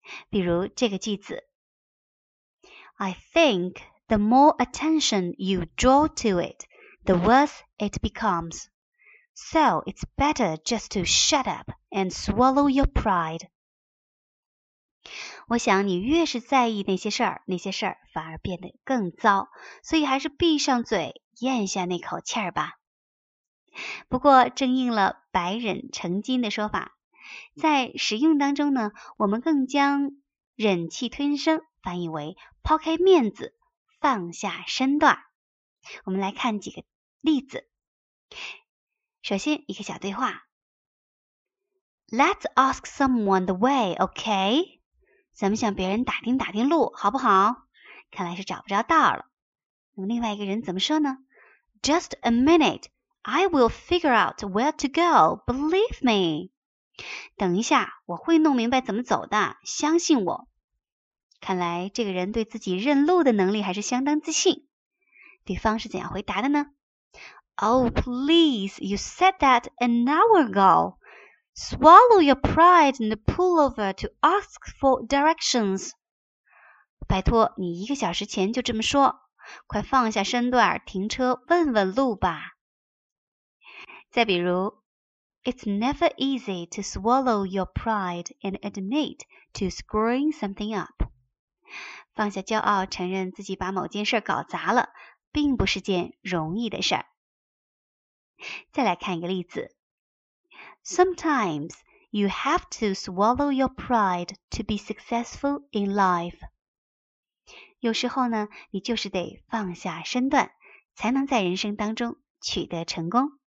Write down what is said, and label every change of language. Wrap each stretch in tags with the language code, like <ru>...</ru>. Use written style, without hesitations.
<zh>比如这个句子，</zh> <en>I think the more attention you draw to it, the worse it becomes. So it's better just to shut up and swallow your pride.</en> <zh>我想你越是在意那些事儿反而变得更糟，所以还是闭上嘴咽下那口气儿吧。不过正应了百忍成金的说法，在实用当中呢，我们更将忍气吞声翻译为抛开面子，放下身段。我们来看几个例子。首先一个小对话，</zh> <en>Let's ask someone the way, okay?</en> <zh>咱们向别人打听打听路好不好？看来是找不着道了。那么另外一个人怎么说呢？</zh> <en>Just a minute, I will figure out where to go, believe me.</en> <zh>等一下，我会弄明白怎么走的，相信我。看来这个人对自己认路的能力还是相当自信。对方是怎样回答的呢？</zh> <en>Oh, please, you said that an hour ago. Swallow your pride and pull over to ask for directions.</en> <zh>拜托，你一个小时前就这么说，快放下身段，停车问问路吧。再比如，</zh> <en>It's never easy to swallow your pride and admit to screwing something up.</en> <zh>放下骄傲，承认自己把某件事搞砸了，并不是件容易的事儿。再来看一个例子。</zh> <en>Sometimes you have to swallow your pride to be successful in life.</en> <zh>有时候呢，你就是得放下身段，才能在人生当中取得成功。</zh>